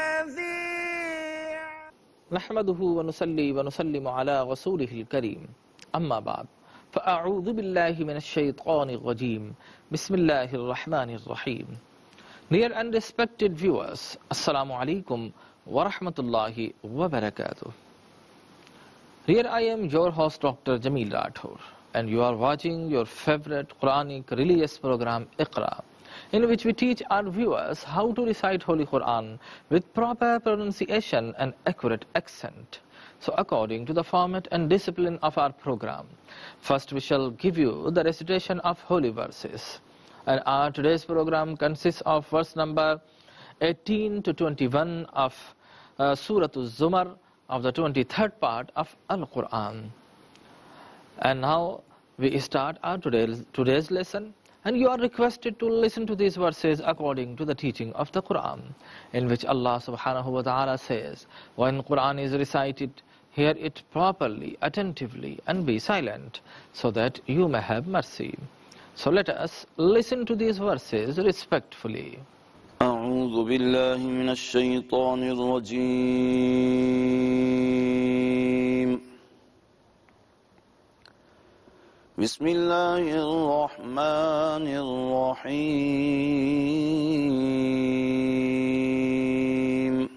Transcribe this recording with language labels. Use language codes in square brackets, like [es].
[ar] نحمده ونصلي ونسلم على رسوله الكريم اما بعد فاعوذ بالله من الشيطان الرجيم بسم الله الرحمن الرحيم [en] Dear and respected viewers, assalamu alaikum wa rahmatullahi wa barakatuh. Here I am your host Dr. Jameel Rathore and you are watching your favorite Quranic religious program Iqra, in which we teach our viewers how to recite Holy Quran with proper pronunciation and accurate accent. So according to the format and discipline of our program, first we shall give you the recitation of holy verses. And our today's program consists of verse number 18 to 21 of Surah Az-Zumar of the 23rd part of Al-Quran. And now we start our today's lesson. And you are requested to listen to these verses according to the teaching of the Quran, in which Allah subhanahu wa ta'ala says, when Quran is recited, hear it properly, attentively, and be silent, so that you may have mercy. So let us listen to these verses respectfully. [ar] أعوذ بالله من الشيطان الرجيم. بسم الله الرحمن الرحيم.